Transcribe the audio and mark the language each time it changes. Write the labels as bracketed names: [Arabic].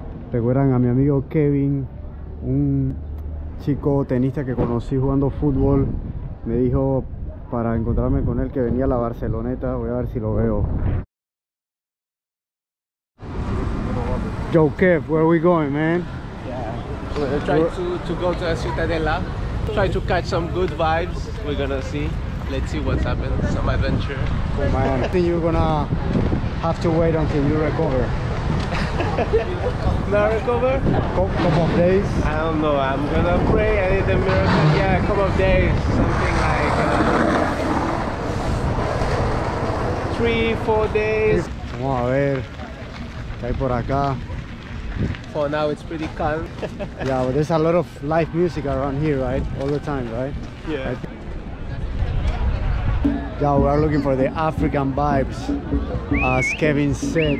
[Spanish] ¿Recuerdan a mi amigo Kevin, un chico tenista que conocí jugando fútbol? Me dijo para encontrarme con él que venía a la Barceloneta. Voy a ver si lo veo. [English] Joe Kev, where are we going, man? We're trying to go to a Ciutadella. Try to catch some good vibes. We're gonna see. Let's see what's happened. Some adventure. Oh man, I think you're gonna have to wait until you recover. Now recover? Couple of days. I don't know. I'm gonna pray. I need a miracle. Yeah, a couple of days. Something like 3, 4 days. [Spanish] Vamos a ver qué hay por acá. [English] For now, it's pretty calm. Yeah, but there's a lot of live music around here, right? All the time, right? Yeah. Yeah, we are looking for the African vibes, as Kevin said.